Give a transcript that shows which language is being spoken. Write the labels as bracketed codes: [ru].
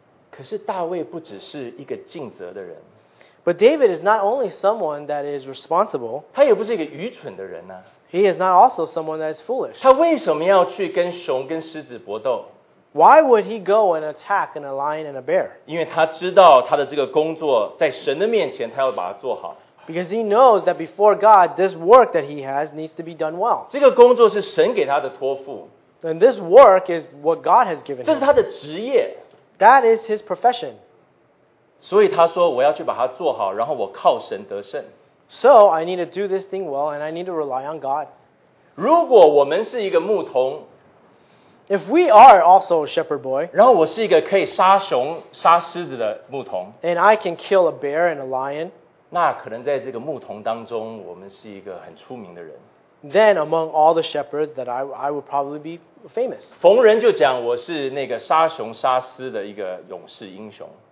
[zh] 可是大卫不只是一个尽责的人。 [en] But David is not only someone that is responsible. [zh] 他也不是一个愚蠢的人啊。 [en] He is not also someone that is foolish. [zh] 他为什么要去跟熊跟狮子搏斗？ [en] Why would he go and attack a lion and a bear? [zh] 因为他知道他的这个工作在神的面前他要把它做好。 [en] Because he knows that before God, this work that he has needs to be done well. [zh] 这个工作是神给他的托付。 [en] And this work is what God has given him. [zh] 这是他的职业。 [en] That is his profession. [zh] 所以他说我要去把它做好，然后我靠神得胜。 [en] So I need to do this thing well and I need to rely on God. [zh] 如果我们是一个牧童， [en] If we are also a shepherd boy, [zh] 然后我是一个可以杀熊杀狮子的牧童， [en] And I can kill a bear and a lion, [zh] 那可能在这个牧童当中我们是一个很出名的人。 [en] Then among all the shepherds that I would probably be famous. [zh] 逢人就讲我是那个杀熊杀狮的一个勇士英雄。